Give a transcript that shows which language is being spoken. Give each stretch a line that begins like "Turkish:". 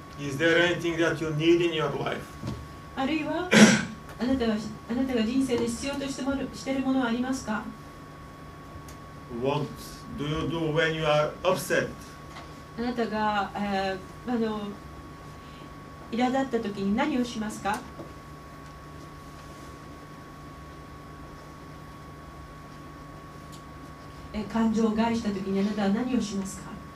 English: Is there anything that you need in your life?
Japanese: あるいは、あなたが人生で必要としているものはありますか？
English: What do you do when you are upset?
Japanese: あなたが、苛立った時に何をしますか？え、感情を害した時にあなたは何をしますか？